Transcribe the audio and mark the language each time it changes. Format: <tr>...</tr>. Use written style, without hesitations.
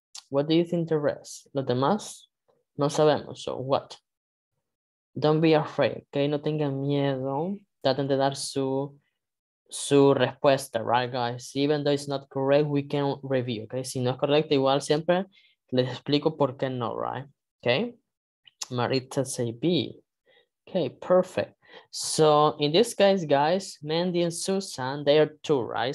<en>What do you think the rest?</en> <es>Los demás? No sabemos,</es> <en>so what? Don't be afraid, okay?</en> <es>No tengan miedo. traten de dar su respuesta, right guys?</es> <en>Even though it's not correct, we can review, okay?</en> <es>Si no es correcto, igual siempre les explico por qué no, right?</es> <en>Okay? Marita say B. Okay, perfect. So in this case, guys, Mandy and Susan, they are two, right?</en>